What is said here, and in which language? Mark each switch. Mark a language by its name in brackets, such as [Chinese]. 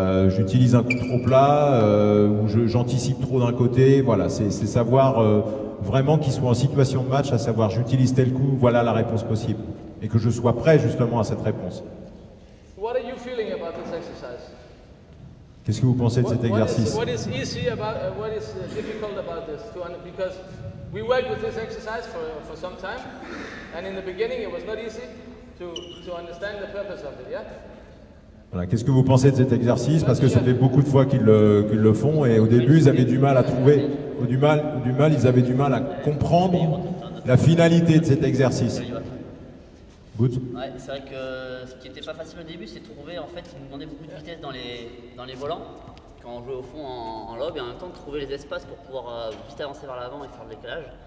[French] J'utilise un coup trop plat, ou j'anticipe trop d'un côté, voilà, c'est savoir vraiment qu'ils soient en situation de match, à savoir j'utilise tel coup, voilà la réponse possible, et que je sois prêt justement à cette réponse. [English] What are you feeling about this exercise? [French] Qu'est-ce que vous pensez de cet exercice? [English] What is easy about, what is difficult about this? Because we worked with this exercise for some time, and in the beginning it was not easy to understand the purpose of it, yeah? [French] Voilà. Qu'est-ce que vous pensez de cet exercice? Parce que ça fait beaucoup de fois qu'ils le font et au début ils avaient du mal à trouver, ils avaient du mal à comprendre la finalité de cet exercice. [English] Good. [French] Ouais, c'est vrai que ce qui n'était pas facile au début, c'est de trouver, en fait, ils nous demandaient beaucoup de vitesse dans les volants quand on jouait au fond en lob et en même temps de trouver les espaces pour pouvoir vite avancer vers l'avant et faire de l'éclairage.